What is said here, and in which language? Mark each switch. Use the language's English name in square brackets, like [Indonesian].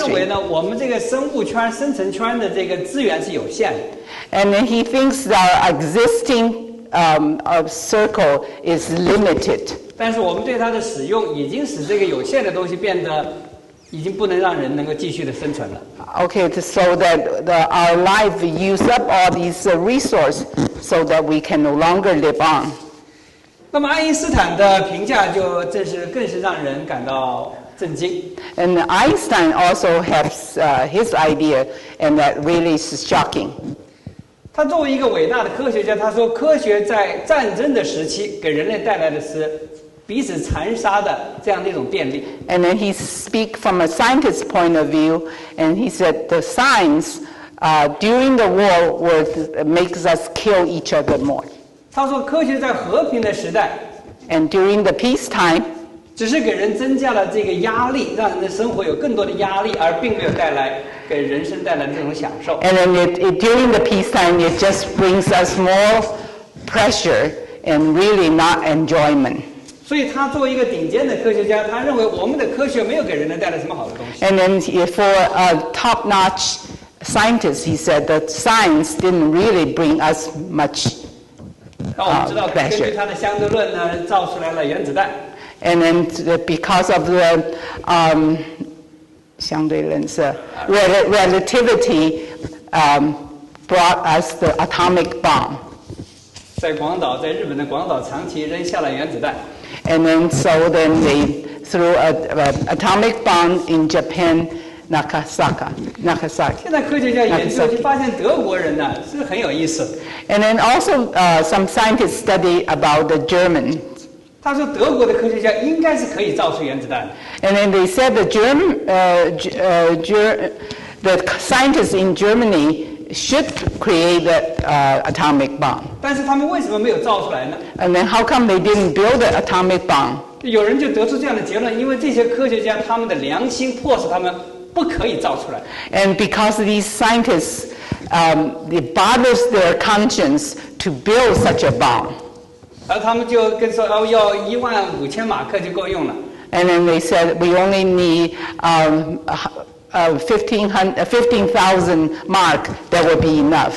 [Chinese] 他认为呢，我们这个生物圈、生存圈的这个资源是有限的。 [English] And then he thinks that our existing circle is limited. [Chinese] 但是我们对它的使用已经使这个有限的东西变得已经不能让人能够继续的生存了。 [English] Okay, so that our life use up all these resources so that we can no longer live on. [Chinese] 那么爱因斯坦的评价就正是更是让人感到震惊。 [English] And Einstein also has his idea, and that really is shocking. [Chinese] 他作为一个伟大的科学家，他说科学在战争的时期给人类带来的是彼此残杀的这样的一种便利。 [English] And then he speak from a scientist's point of view, and he said the science during the war makes us kill each other more. [Chinese] 他说科学在和平的时代 [English] ，and during the peace time， [Chinese] 只是给人增加了这个压力，让人的生活有更多的压力，而并没有带来给人生带来的这种享受。 [English] And then it during the peacetime, it just brings us more pressure and really not enjoyment. [Chinese] 所以他作为一个顶尖的科学家，他认为我们的科学没有给人能带来什么好的东西。 [English] And then for a top-notch scientist, he said that science didn't really bring us much pleasure. [Chinese] 根据他的相对论呢，造出来了原子弹。 [English] And then because of the [Chinese] 相对论是 [English] relativity brought us the atomic bomb. [Chinese] 在广岛，在日本的广岛长崎扔下了原子弹。 [English] And then so then they threw an atomic bomb in Japan, Nagasaki. [Chinese] 现在科学家研究就发现德国人呢是很有意思。 [English] And then also some scientists study about the German. [Chinese] 他说德国的科学家应该是可以造出原子弹的。 [English] And then they said the German, the scientists in Germany should create the atomic bomb. [Chinese] 但是他们为什么没有造出来呢？ [English] And then how come they didn't build the atomic bomb? [Chinese] 有人就得出这样的结论，因为这些科学家他们的良心迫使他们不可以造出来。 [English] And because these scientists, it bothers their conscience to build such a bomb. [Chinese] 然后他们就跟说哦，要15,000马克就够用了。 [English] And then they said we only need 15,000 mark that will be enough.